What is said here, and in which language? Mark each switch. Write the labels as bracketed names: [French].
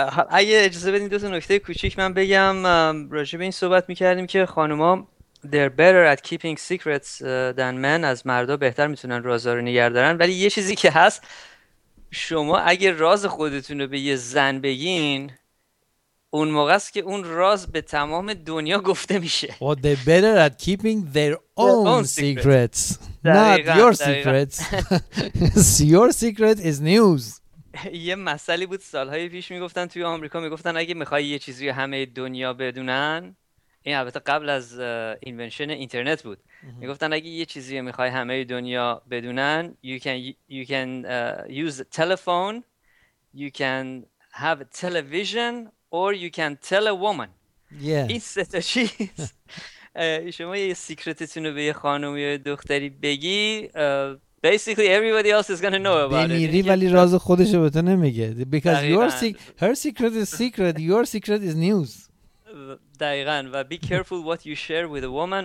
[Persian] اگه اجازه بدین دو تا نکته کوچیک من بگم. راجع به این صحبت میکردیم که خانوما [English] they're better at keeping secrets than men، [Persian] از مردا بهتر میتونن رازا رو نگه دارن. ولی یه چیزی که هست، شما اگه راز خودتون رو به یه زن بگین، اون موقع است که اون راز به تمام دنیا گفته میشه. [English] What they better at keeping their own secrets. Not your secrets. Your secret is news. [Persian] یه مسئله بود سالهای پیش میگفتن توی آمریکا، میگفتن اگه میخوای یه چیزی همه دنیا بدونن، این البته قبل از اینونشن اینترنت بود، میگفتن اگه یه چیزی میخوای همه دنیا بدونن، [English] you can use a telephone, you can have a television, or you can tell a woman. [Persian] این سه تا چیز. شما یه سیکرتتون رو به یه خانم یا دختری بگی، [English] basically everybody else is going to know about it. [Persian] بمیری ولی راز خودشو به تو نمیگه. [English] Because your her secret is secret, your secret is news. [Persian] دقیقاً. [English] و be careful what you share with a woman.